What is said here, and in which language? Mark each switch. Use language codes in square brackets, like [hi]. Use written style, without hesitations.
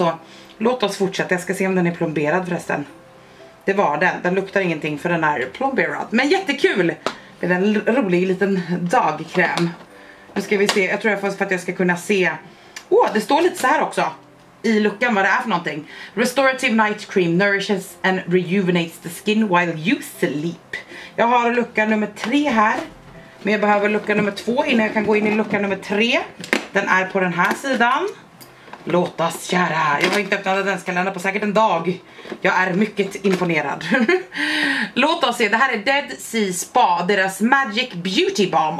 [sv] Så låt oss fortsätta, jag ska se om den är plomberad förresten. Det var den, den luktar ingenting för den är plomberad. Men jättekul med en rolig liten dagkräm. Nu ska vi se, jag tror jag får, för att jag ska kunna se. Åh, det står lite så här också i luckan vad det är för någonting. [en] Restorative night cream nourishes and rejuvenates the skin while you sleep. [sv] Jag har lucka nummer 3 här, men jag behöver lucka nummer 2 innan jag kan gå in i lucka nummer 3. Den är på den här sidan. Låt oss köra. Jag har inte öppnat adventskalendern på säkert en dag. Jag är mycket imponerad. Låt oss se, det här är Dead Sea Spa, deras Magic Beauty Balm.